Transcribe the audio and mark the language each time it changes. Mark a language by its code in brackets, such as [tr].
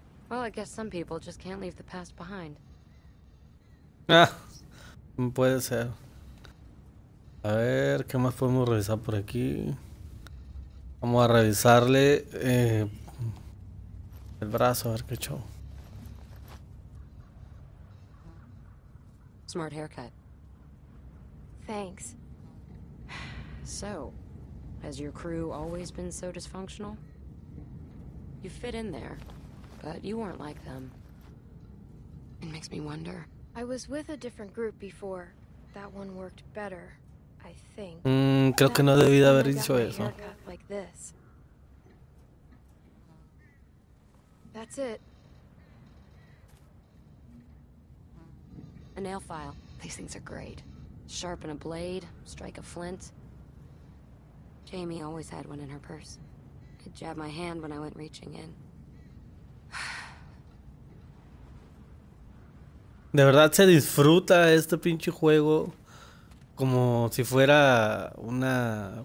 [en] Well, I guess some people just can't leave the past behind. [es] Ah, puede ser. A ver, ¿qué más podemos revisar por aquí? Vamos a revisarle el brazo, a ver qué show. [en] Smart haircut. Thanks. So, has your crew always been so dysfunctional? You fit in there, but you weren't like them. It makes me wonder. I was with a different group before. That one worked better, I think. [es] Creo que no debí de haber dicho eso. [en] Like this. That's it. A nail file. These things are great. Sharpen a blade, strike a flint. Jamie always had one in her purse. Could jab my hand when I went reaching in. [es] De verdad se disfruta este pinche juego como si fuera una...